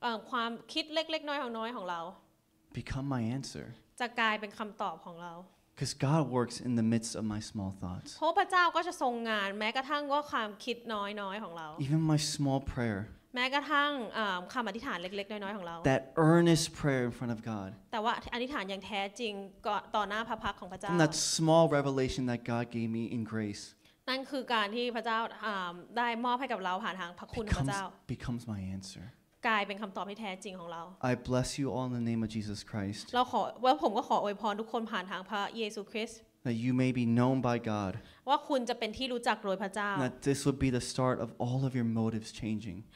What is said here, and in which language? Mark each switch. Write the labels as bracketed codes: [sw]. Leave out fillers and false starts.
[th] ความคิดเล็กๆน้อยๆของเรา [en] Become my answer. [th] จะกลายเป็นคำตอบของเรา [en] Because God works in the midst of my small thoughts. [th] เพราะพระเจ้าก็จะทรงงานแม้กระทั่งว่าความคิดน้อยๆของเรา [en] Even my small prayer. [th] แม้กระทั่งคำอธิษฐานเล็กๆน้อยๆของเรา [en] That earnest prayer in front of God. [th] แต่ว่าอธิษฐานอย่างแท้จริงต่อหน้าพระพักของพระเจ้า [en] And that small revelation that God gave me in grace. [th] นั่นคือการที่พระเจ้าได้มอบให้กับเราผ่านทางพระคุณของพระเจ้า [en] Becomes my answer. [th] กลายเป็นคำตอบที่แท้จริงของเรา [en] I bless you all in the name of Jesus Christ [th] เราขอว่าผมก็ขออวยพรทุกคนผ่านทางพระเยซูคริสต์ [en] That you may be known by God [th] ว่าคุณจะเป็นที่รู้จักโดยพระเจ้า [en] That this would be the start of all of your motives changing